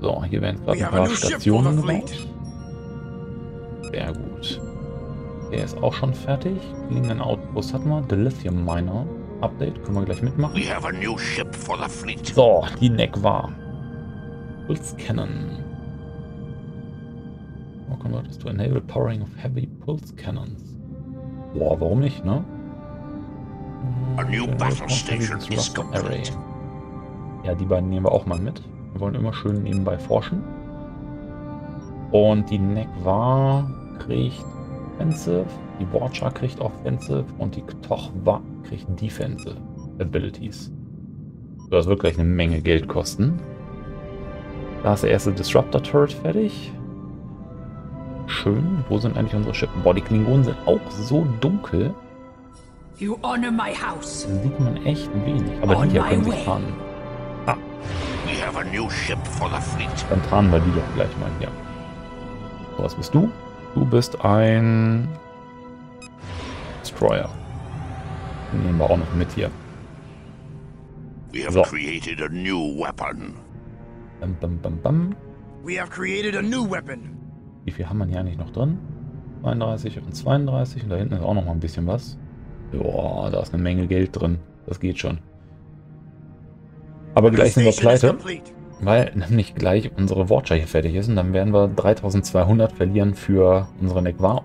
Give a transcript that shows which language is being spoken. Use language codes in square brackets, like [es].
[de] So, hier werden gerade ein paar Stationen gebaut. Sehr gut. Der ist auch schon fertig. Klingenden Outpost hatten wir. The Lithium Miner Update. Können wir gleich mitmachen. [en] We have a new ship for the fleet. [de] So, die Nekvar. Pulse Cannon. [en] How convert is to enable powering of heavy pulse cannons. [de] Boah, warum nicht, ne? [en] A new battle station is complete. [de] Ja, die beiden nehmen wir auch mal mit. Wir wollen immer schön nebenbei forschen. Und die Nekvar kriegt Offensive, die Watcher kriegt Offensive und die K'tochvar kriegt Defensive Abilities. Das wird gleich eine Menge Geld kosten. Da ist der erste Disruptor Turret fertig. Schön, wo sind eigentlich unsere Schiffe? Boah, die Klingonen sind auch so dunkel. [en] You honor my house. [de] Da sieht man echt wenig. Aber die hier können sich tarnen. Ah. [en] We have a new ship for the fleet. [de] Dann tarnen wir die doch gleich mal hier. So, was bist du? Du bist ein Destroyer. Den nehmen wir auch noch mit hier. [en] We have created a new weapon. Bam, bam, bam, bam. We have created a new weapon. [de] Wie viel haben wir hier eigentlich noch drin? 32 und 32 und da hinten ist auch noch mal ein bisschen was. Boah, da ist eine Menge Geld drin. Das geht schon. Aber gleich sind wir pleite, weil nämlich gleich unsere Watcher hier fertig ist und dann werden wir 3200 verlieren für unsere Nekvar.